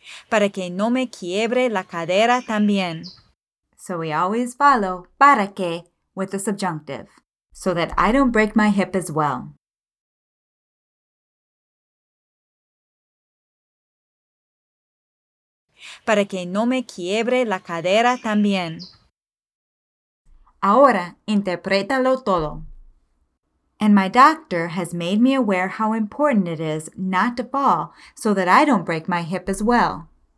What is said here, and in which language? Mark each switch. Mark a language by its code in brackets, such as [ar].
[es] Para que no me quiebre la cadera también. [en] So we always follow para que with the subjunctive. So that I don't break my hip as well. [es] Para que no me quiebre la cadera también. Ahora, interprétalo todo. [en] And my doctor has made me aware how important it is not to fall so that I don't break my hip as well.